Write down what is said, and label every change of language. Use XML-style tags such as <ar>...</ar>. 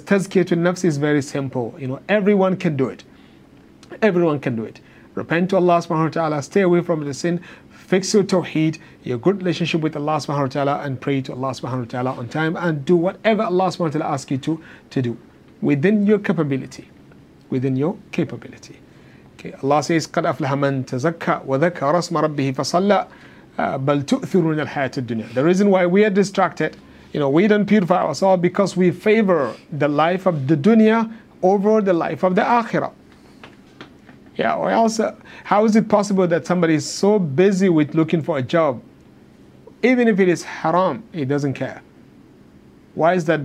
<en>Tazkiyatun nafs is very simple. You know, everyone can do it. Everyone can do it. Repent to Allah subhanahu wa ta'ala, stay away from the sin, fix your tawheed, your good relationship with Allah subhanahu wa ta'ala, and pray to Allah subhanahu wa ta'ala on time, and do whatever Allah subhanahu wa ta'ala asks you to do within your capability. Within your capability. Okay, Allah says,</en> <ar>قَدْ أَفْلَحَ مَنْ تَزَكَّى وَذَكَّى رَسْمَ رَبِّهِ فَصَلَّى بَلْ تُؤْثِرُونَ الْحَيَاةِ الدُّنْيَا.</ar> <en>The reason why we are distracted, you know, we don't purify ourselves because we favor the life of the dunya over the life of the akhirah. Yeah, or else, how is it possible that somebody is so busy with looking for a job, even if it is haram, he doesn't care? Why is that?</en>